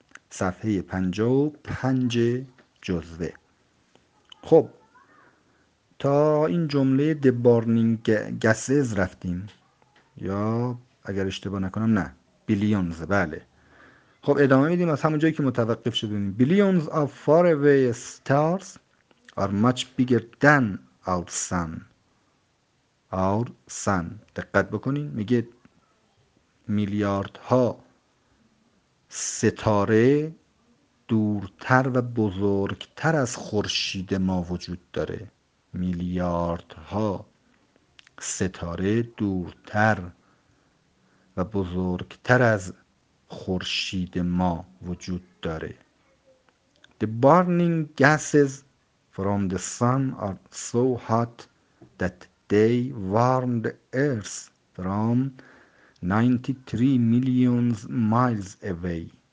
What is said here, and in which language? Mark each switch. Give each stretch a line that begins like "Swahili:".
Persian: صفحه 55 جزوه. خب، تا این جمله
English: The Burning Gases
Persian: رفتیم، یا اگر اشتباه نکنم نه Billions، بله. خب ادامه میدیم از همون جایی که متوقف شدیم.
English: Billions of faraway stars are much bigger than our sun.
Persian: Our sun، دقت بکنین، میگه میلیاردها ستاره دورتر و بزرگتر از خورشید ما وجود داره. میلیاردها ستاره دورتر و بزرگتر از خورشید ما وجود داره.
English: The burning gases from the sun are so hot that they warm the earth from 93 million miles away.